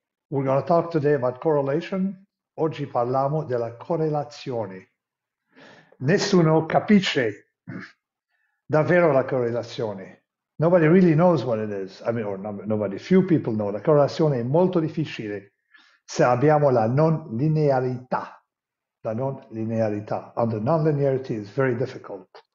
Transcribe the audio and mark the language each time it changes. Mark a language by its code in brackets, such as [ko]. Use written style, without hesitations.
[en] We're going to talk today about correlation. [it] Oggi parliamo della correlazione. Nessuno capisce davvero la correlazione. [en] Nobody really knows what it is. I mean, or nobody, few people know. [it] La correlazione è molto difficile se abbiamo la non linearità. La non linearità. [en] And the non linearity is very difficult.